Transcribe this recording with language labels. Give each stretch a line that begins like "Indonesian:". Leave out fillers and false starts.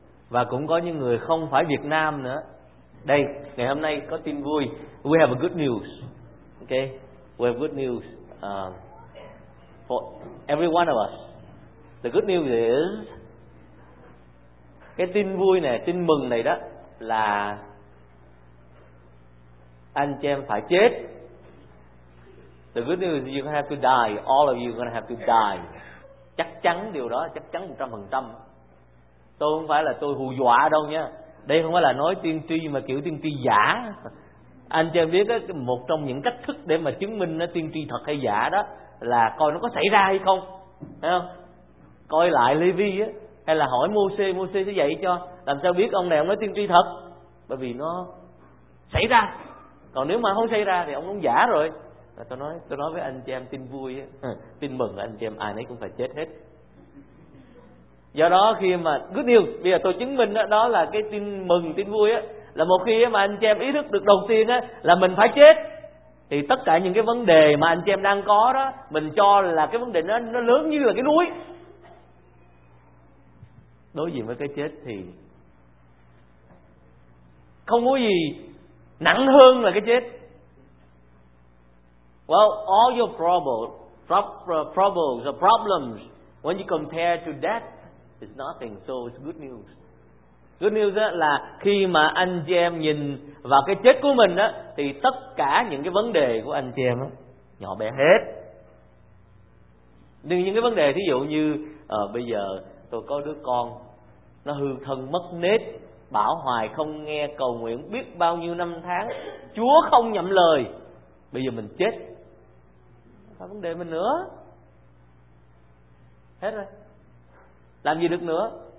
Vietnamese: Và cũng có những người không phải Việt Nam nữa. Đây, ngày hôm nay có tin vui.
English: We have a good news. Okay? We have good news for every one of us. The good news is,
Vietnamese: cái tin vui này, tin mừng này đó, là anh chị em phải chết.
English: The good news is you're going to have to die. All of you are going to have to die.
Vietnamese: Chắc chắn điều đó, chắc chắn 100%. Tôi không phải là tôi hù dọa đâu nha. Đây không phải là nói tiên tri mà kiểu tiên tri giả. Anh chị em biết đó, một trong những cách thức để mà chứng minh nó tiên tri thật hay giả đó là coi nó có xảy ra hay không. Thấy không? Coi lại Lê Vi á, hay là hỏi Mô-xê, Mô-xê sẽ dạy cho, làm sao biết ông này ông nói tiên tri thật, bởi vì nó xảy ra. Còn nếu mà không xảy ra thì ông cũng giả rồi. Và tôi nói với anh chị em tin vui á, tin mừng anh chị em ai nấy cũng phải chết hết. Do đó khi mà good news, bây giờ tôi chứng minh đó, đó là cái tin mừng, tin vui á, là một khi mà anh chị em ý thức được đầu tiên á là mình phải chết, thì tất cả những cái vấn đề mà anh chị em đang có đó, mình cho là cái vấn đề nó lớn như là cái núi. Đối diện với cái chết thì không có gì nặng hơn là cái chết.
English: Well, all your troubles or problems, when you compare to death, is nothing. So it's good news.
Vietnamese: Good news là khi mà anh chị em nhìn vào cái chết của mình đó, thì tất cả những cái vấn đề của anh chị em đó, nhỏ bé hết. Nhưng những cái vấn đề, thí dụ như bây giờ tôi có đứa con, nó hư thân mất nết, bảo hoài không nghe cầu nguyện biết bao nhiêu năm tháng, Chúa không nhậm lời, bây giờ mình chết, không phải vấn đề mình nữa, hết rồi, làm gì được nữa.